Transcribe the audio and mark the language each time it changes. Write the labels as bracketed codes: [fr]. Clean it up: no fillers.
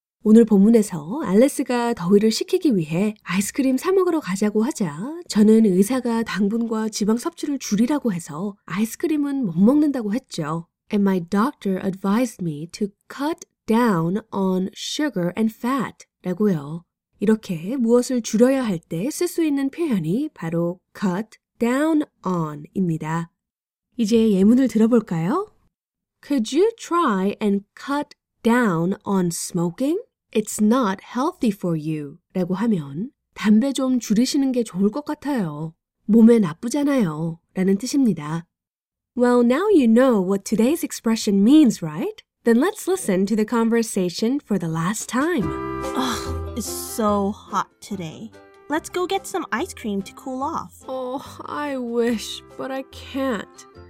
[ko] 오늘 본문에서 알레스가 더위를 식히기 위해 아이스크림 사 먹으러 가자고 하자 저는 의사가 당분과 지방 섭취를 줄이라고 해서 아이스크림은 못 먹는다고 했죠. [en] And my doctor advised me to cut down on sugar and fat [ko] 라고요. 이렇게 무엇을 줄여야 할 때 쓸 수 있는 표현이 바로 cut down on 입니다. 이제 예문을 들어볼까요? [en] Could you try and cut down on smoking? It's not healthy for you. [ko] 라고 하면 담배 좀 줄이시는 게 좋을 것 같아요. 몸에 나쁘잖아요. 라는 뜻입니다. [en] Well, now you know what today's expression means, right? Then let's listen to the conversation for the last time. Ugh, it's so hot today. Let's go get some ice cream to cool off. Oh, I wish, but I can't.